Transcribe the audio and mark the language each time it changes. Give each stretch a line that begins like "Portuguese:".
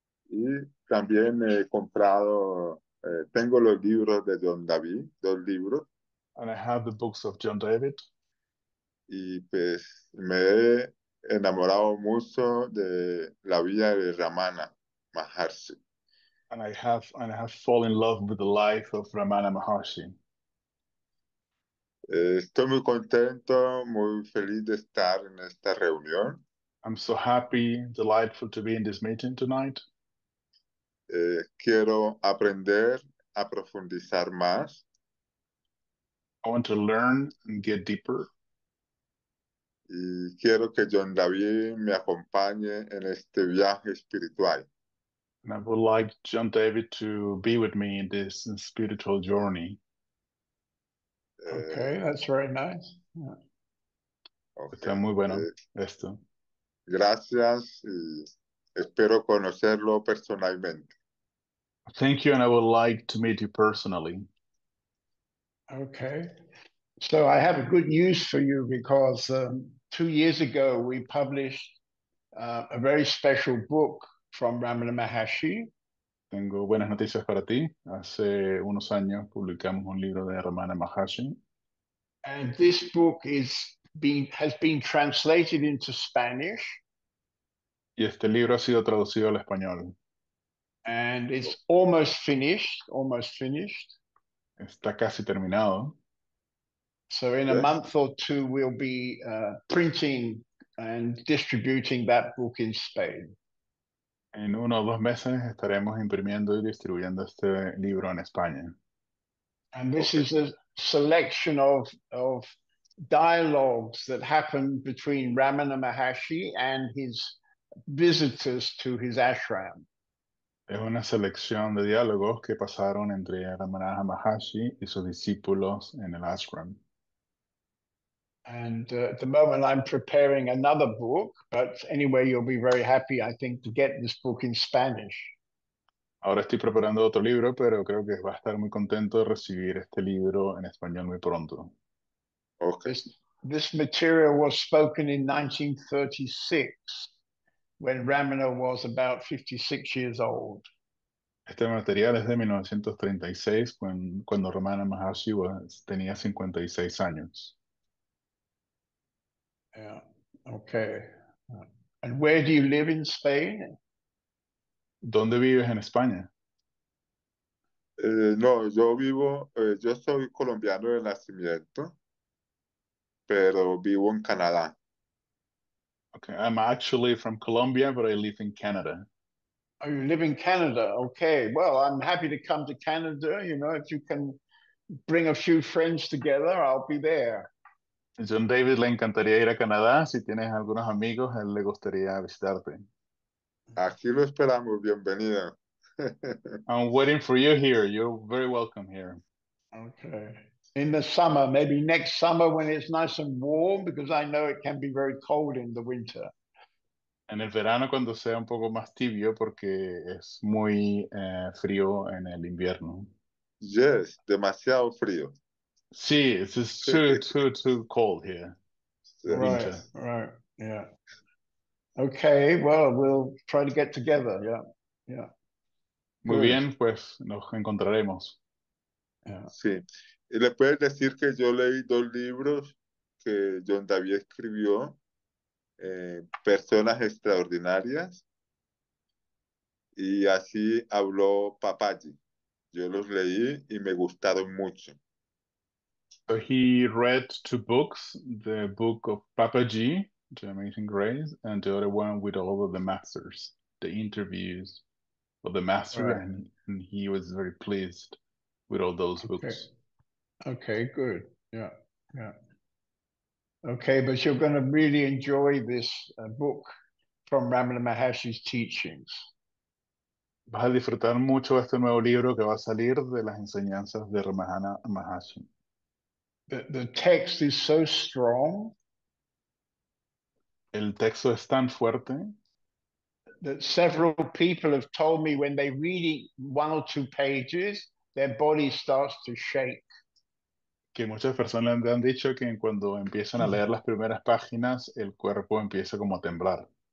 Spanish: Y también he comprado, tengo los libros de John David, dos libros.
English: And I have the books of John David.
Spanish: Y pues me he enamorado mucho de la vida de Ramana Maharshi.
English: And I have fallen in love with the life of Ramana Maharshi.
Spanish: Estoy muy contento, muy feliz de estar en esta reunión.
English: I'm so happy, delightful to be in this meeting tonight.
Spanish: Quiero aprender a profundizar más.
English: I want to learn and get deeper.
Spanish: Y quiero que John David me acompañe en este viaje espiritual.
English: And I would like John David to be with me in this spiritual journey. Okay, that's very nice. Okay.
Spanish: Está muy bueno esto. Gracias y espero conocerlo personalmente.
English: Thank you, and I would like to meet you personally. Okay. So I have good news for you because 2 years ago we published a very special book from Ramana Maharshi.
Spanish: Tengo buenas noticias para ti. Hace unos años publicamos un libro de Ramana Maharshi.
English: And this book has been translated into Spanish.
Spanish: Y este libro ha sido traducido al español.
English: And it's almost finished.
Spanish: Está casi terminado.
English: So in a month or two, we'll be printing and distributing that book in Spain.
Spanish: En uno o dos meses estaremos imprimiendo y distribuyendo este libro en España.
English: And this is a selection of dialogues that happened between Ramana Maharshi and his visitors to his ashram.
Spanish: Es una selección de diálogos que pasaron entre Ramana Maharshi y sus discípulos en el ashram.
English: And at the moment I'm preparing another book, but anyway, you'll be very happy, I think, to get this book in Spanish.
Spanish: Ahora estoy preparando otro libro, pero creo que va a estar muy contento de recibir este libro en español muy pronto.
English: Okay. This material was spoken in 1936, when Ramana was about 56 years old.
Spanish: Este material es de 1936, cuando Ramana Maharshi tenía 56 años.
English: Yeah. Okay. And where do you live in Spain?
Spanish: ¿Dónde vives en España? No, yo vivo, yo soy colombiano de nacimiento, pero vivo en Canadá.
English: Okay, I'm actually from Colombia, but I live in Canada. Oh, you live in Canada. Okay. Well, I'm happy to come to Canada. You know, if you can bring a few friends together, I'll be there.
Spanish: John David le encantaría ir a Canadá. Si tienes algunos amigos, a él le gustaría visitarte. Aquí lo esperamos. Bienvenido.
English: I'm waiting for you here. You're very welcome here. Okay. In the summer, maybe next summer when it's nice and warm, because I know it can be very cold in the winter.
Spanish: En el verano, cuando sea un poco más tibio, porque es muy frío en el invierno. Yes, demasiado frío.
English: Sí, it's just too cold here, Right, winter. yeah. Okay, well, we'll try to get together, yeah.
Spanish: Muy
English: Good.
Spanish: bien, pues nos encontraremos.
English: Yeah.
Spanish: Sí, y le puedes decir que yo leí dos libros que John David escribió, Personas Extraordinarias, y así habló Papaji. Yo los leí y me gustaron mucho.
English: So he read two books, the book of Papaji, The Amazing Grace, and the other one with all of the masters, the interviews of the master, Right. and he was very pleased with all those Okay. books. Okay, good. Yeah. Okay, but you're going to really enjoy this book from Ramana Maharshi's teachings.
Spanish: Vas a disfrutar mucho este nuevo libro que va a salir de las enseñanzas de Ramana Maharshi.
English: The text is so strong
Spanish: El texto es tan fuerte.
English: that several people have told me when they read one or two pages, their body starts to shake.
Spanish: Que muchas personas me han dicho que cuando empiezan a leer las primeras páginas, el cuerpo empieza como a temblar.